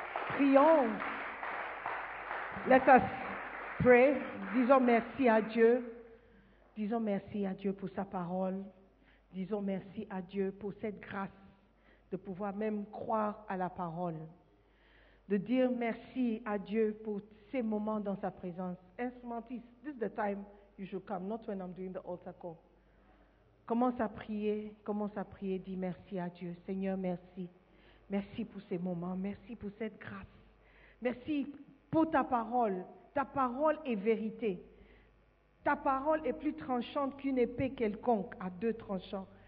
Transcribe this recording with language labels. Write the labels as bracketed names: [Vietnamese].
[French] Prions. [English] Let us pray. [French] Disons merci à Dieu. Disons merci à Dieu pour sa parole. Disons merci à Dieu pour cette grâce de pouvoir même croire à la parole. De dire merci à Dieu pour ces moments dans sa présence. [English] Instrumentiste, this is the time you should come, not when I'm doing the altar call. [French] Commence à prier, dis merci à Dieu. Seigneur, merci. Merci pour ces moments, merci pour cette grâce. Merci pour ta parole. Ta parole est vérité. Ta parole est plus tranchante qu'une épée quelconque à deux tranchants.